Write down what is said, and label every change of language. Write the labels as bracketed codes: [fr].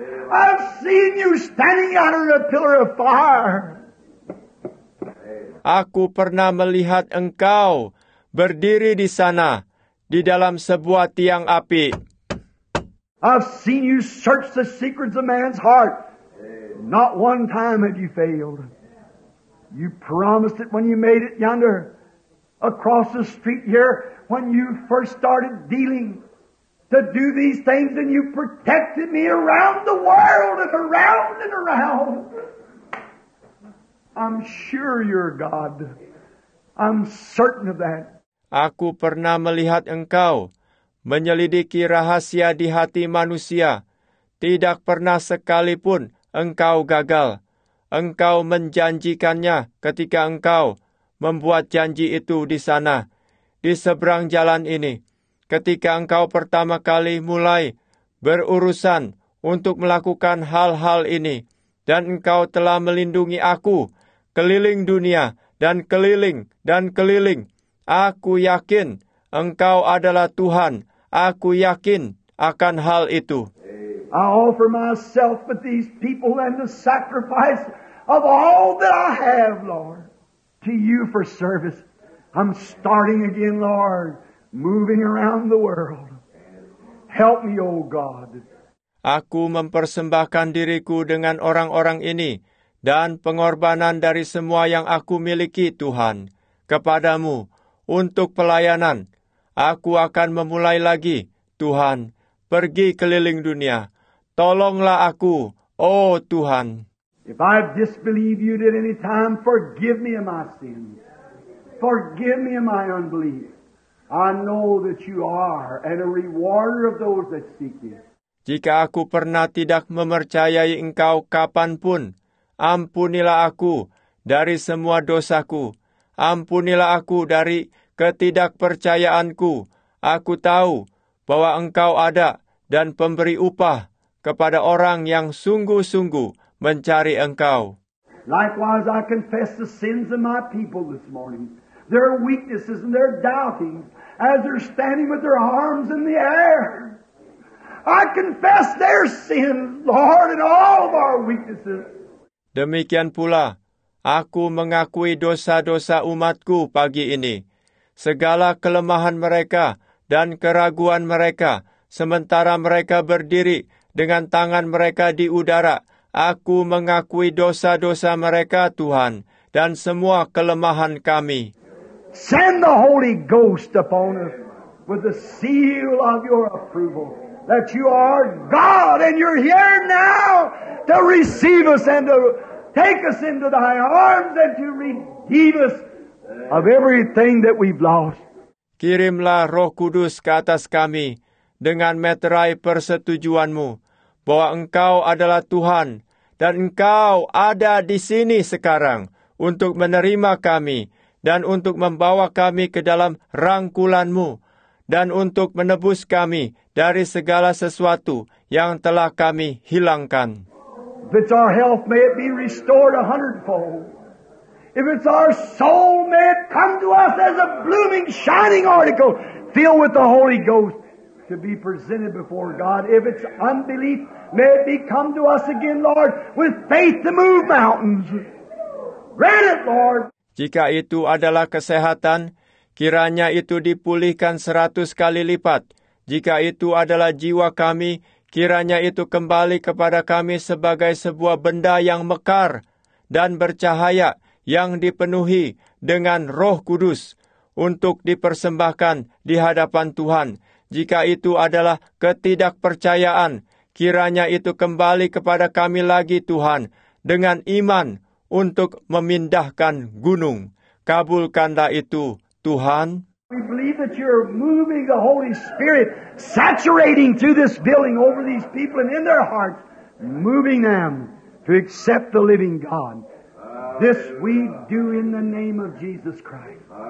[en] I've seen you standing out on a pillar of fire. [id] Aku pernah melihat engkau berdiri di sana, di dalam sebuah tiang api. [en] I've seen you search the secrets of man's heart. Not one time have you failed. You promised it when you made it yonder, across the street here, when you first started dealing to do these things, and you protected me around the world and around and around. I'm sure you're God. I'm certain of that. [id] Aku pernah melihat engkau menyelidiki rahasia di hati manusia. Tidak pernah sekalipun engkau gagal. Engkau menjanjikannya ketika engkau membuat janji itu di sana. Di seberang jalan ini, ketika engkau pertama kali mulai berurusan untuk melakukan hal-hal ini, dan engkau telah melindungi aku keliling dunia dan keliling dan keliling, aku yakin engkau adalah Tuhan. Aku yakin akan hal itu. [en] I offer myself to these people and the sacrifice of all that I have, Lord, to you for service. I'm starting again, Lord, moving around the world. Help me, O God. [id] Aku mempersembahkan diriku dengan orang-orang ini dan pengorbanan dari semua yang aku miliki, Tuhan, kepada-Mu untuk pelayanan. Aku akan memulai lagi, Tuhan, pergi keliling dunia. Tolonglah aku, O Tuhan. [en] If I disbelieve you at any time, forgive me of my sins. Forgive me of my unbelief. I know that you are and a rewarder of those that seek you. [id] Jika aku pernah tidak mempercayai engkau kapanpun, ampunilah aku dari semua dosaku. Ampunilah aku dari ketidakpercayaanku. Aku tahu bahwa engkau ada dan pemberi upah kepada orang yang sungguh-sungguh mencari engkau. [en] Likewise, I confess the sins of my people this morning. Their weaknesses and their doubting as they're standing with their arms in the air. I confess their sin, Lord, and all of our weaknesses. [id] Demikian pula, aku mengakui dosa-dosa umatku pagi ini, segala kelemahan mereka dan keraguan mereka, sementara mereka berdiri dengan tangan mereka di udara. Aku mengakui dosa-dosa mereka, Tuhan, dan semua kelemahan kami. [en] Send the Holy Ghost upon us with the seal of your approval that you are God and you're here now to receive us and to take us into thy arms and to redeem us of everything that we've lost. [id] Kirimlah Roh Kudus ke atas kami dengan meterai persetujuan-Mu bahwa Engkau adalah Tuhan dan Engkau ada di sini sekarang untuk menerima kami dan untuk membawa kami ke dalam rangkulan-Mu, dan untuk menebus kami dari segala sesuatu yang telah kami hilangkan. [en] If it's our health, may it be restored a hundredfold. If it's our soul, may it come to us as a blooming, shining article, filled with the Holy Ghost, to be presented before God. If it's unbelief, may it be come to us again, Lord, with faith to move mountains. Grant it, Lord. [id] Jika itu adalah kesehatan, kiranya itu dipulihkan 100 kali lipat. Jika itu adalah jiwa kami, kiranya itu kembali kepada kami sebagai sebuah benda yang mekar dan bercahaya yang dipenuhi dengan Roh Kudus untuk dipersembahkan di hadapan Tuhan. Jika itu adalah ketidakpercayaan, kiranya itu kembali kepada kami lagi, Tuhan, dengan iman untuk memindahkan gunung. Kabulkanlah itu, Tuhan. [en] We believe that you're moving the Holy Spirit, saturating through this building over these people and in their hearts, moving them to accept the living God. This we do in the name of Jesus Christ.